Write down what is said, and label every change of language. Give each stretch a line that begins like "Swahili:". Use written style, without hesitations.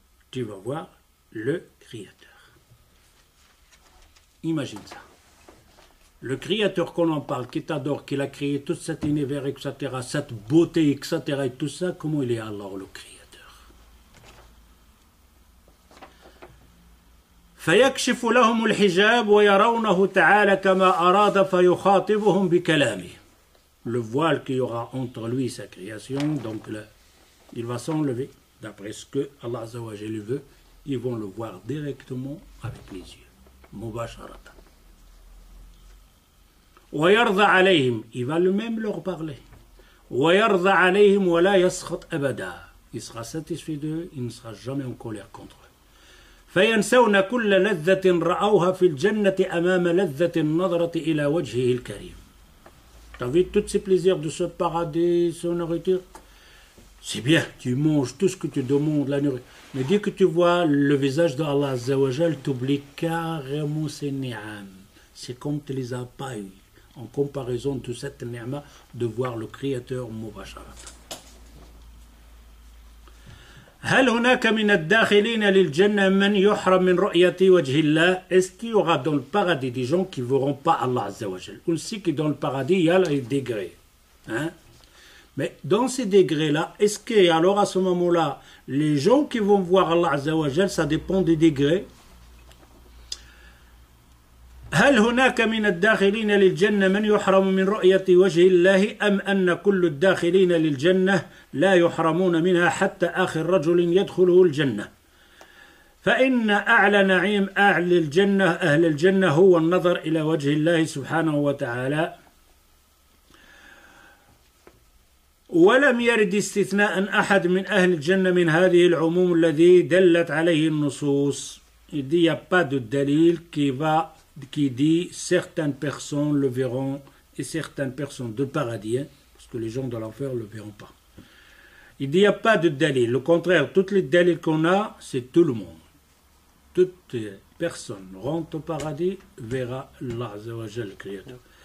French: Tu vas voir le Créateur. Imagine ça. Le Créateur qu'on en parle, qui t'adore, qui l'a créé, tout cet univers, etc., cette beauté, etc., et tout ça, comment il est alors le Créateur ?
Arabic: فيكشف لهم الحجاب ويرونه تعالى كما أراد فيخاطبهم بكلامه.
French: Le voile qu'il y aura entre lui et sa création, donc là, il va s'enlever. D'après ce que Allah Azza wa Jalla veut, ils vont le voir directement avec les yeux.
Arabic: Mubasharata. ويرضى عليهم.
French: Il va le même leur parler.
Arabic: ويرضى عليهم ولا يسخط أبدا.
French: Il sera satisfait d'eux, il ne sera jamais en colère contre eux.
Arabic: فينسون كل لذة رأوها في الجنة أمام لذة النظرة إلى وجهه الكريم.
French: T'as vu tous ces plaisirs de ce paradis, son nourriture? C'est bien, tu manges tout ce que tu demandes, la nourriture. Mais dès que tu vois le visage d'Allah Azza wa Jal, tu oublies carrément ces ni'am. C'est comme tu ne les as pas eu, en comparaison de cette ni'ma, de voir le Créateur Mubasharat.
Arabic: هل هناك من الداخلين للجنة من يحرم من رؤية وجه الله؟
French: Est-ce qu'il y aura dans le paradis des gens qui ne verront pas Allah Azza wa Jal? On sait que dans le paradis, il y a les degrés. Hein? Mais dans ces degrés-là, est-ce que alors à ce moment-là, les gens qui vont voir Allah Azza wa Jal, ça dépend des degrés?
Arabic: هل هناك من الداخلين للجنة من يحرم من رؤية وجه الله أم أن كل الداخلين للجنة لا يحرمون منها حتى آخر رجل يدخله الجنة فإن أعلى نعيم أعلى الجنة أهل الجنة هو النظر إلى وجه الله سبحانه وتعالى ولم يرد استثناء أحد من أهل الجنة من هذه العموم الذي دلت عليه النصوص دي باد الدليل كيفا
French: qui dit certaines personnes le verront et certaines personnes de paradis, hein, parce que les gens de l'enfer ne le verront pas. Il n'y a pas de dalil. Au contraire, toutes les dalils qu'on a, c'est tout le monde. Toute personne rentre au paradis verra Allah Azza wa Jal, le Créateur.